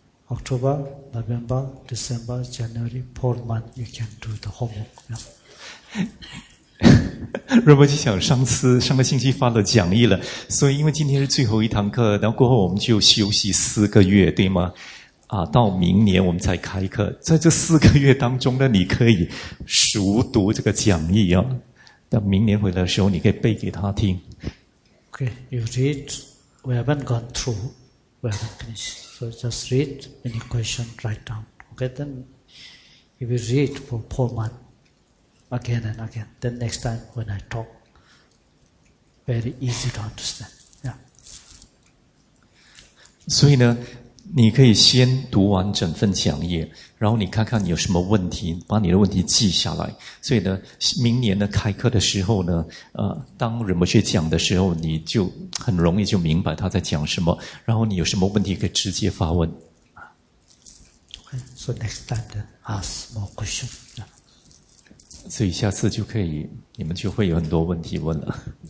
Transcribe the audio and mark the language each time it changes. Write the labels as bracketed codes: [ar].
[en] October, November, December, January, 4 months, you can do the homework. [zh] Rinpoche 想上个星期发了讲义了，所以因为今天是最后一堂课，然后过后我们就休息四个月，对吗？到明年我们才开课，在这四个月当中呢，你可以熟读这个讲义啊。到明年回来的时候，你可以背给他听。 [en] Okay, you read. We haven't gone through. We haven't finished. So just read. Any question, write down. Okay, then if you read for 4 months again and again, then next time when I talk, very easy to understand. Yeah. [zh] 所以呢，你可以先读完整份讲义，然后你看看你有什么问题，把你的问题记下来。所以呢，明年呢开课的时候呢，当仁波切讲的时候，你就很容易就明白他在讲什么。然后你有什么问题可以直接发问。 [en] Okay, so next time then ask more questions. Yeah. [zh] 所以下次就可以，你们就会有很多问题问了。